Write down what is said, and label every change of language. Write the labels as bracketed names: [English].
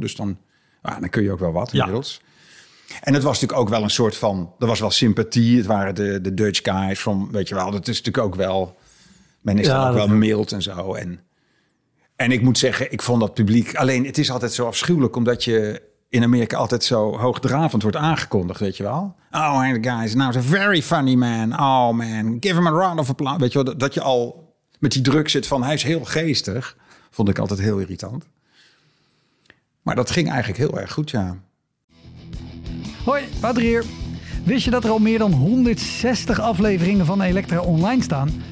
[Dutch] Dus dan kun je ook wel wat inmiddels. Ja. En het was natuurlijk ook wel een soort van, er was wel sympathie. Het waren de [English] Dutch guys [Dutch] van, weet je wel, dat is natuurlijk ook wel... Men is ook wel mild en zo. En ik moet zeggen, ik vond dat publiek... Alleen, het is altijd zo afschuwelijk, omdat je... in Amerika altijd zo hoogdravend wordt aangekondigd, weet je wel. [English] Oh, and the guys, now a very funny man. Oh, man, give him a round of applause. [Dutch] Weet je wel, dat je al met die druk zit van hij is heel geestig. Vond ik altijd heel irritant. Maar dat ging eigenlijk heel erg goed, ja. Hoi, Wouter hier. Wist je dat er al meer dan 160 afleveringen van Elektra online staan?